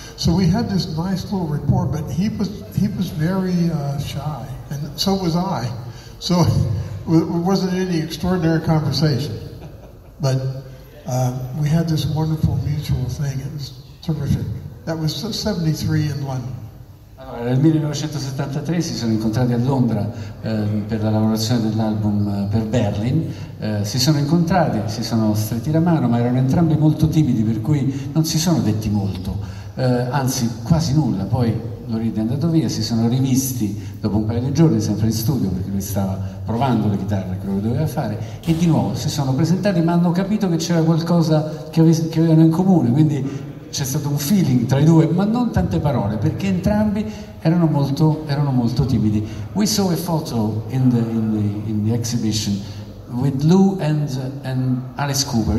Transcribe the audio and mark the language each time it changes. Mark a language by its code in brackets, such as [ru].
[en] So we had this nice little rapport, but he was very shy, and so was I. So it wasn't any extraordinary conversation, but we had this wonderful mutual thing. It was terrific. That was 73 in London. [it] Allora, nel 1973 si sono incontrati a Londra per la lavorazione dell'album per Berlin. Si sono incontrati, si sono stretti la mano, ma erano entrambi molto timidi, per cui non si sono detti molto, anzi quasi nulla. Poi Laurie è andato via, si sono rivisti dopo un paio di giorni, sempre in studio, perché lui stava provando le chitarre che lui doveva fare, e di nuovo si sono presentati, ma hanno capito che c'era qualcosa che avevano in comune, quindi c'è stato un feeling tra i due, ma non tante parole, perché entrambi erano molto timidi. [en] We saw a photo in the exhibition with Lou and Alice Cooper.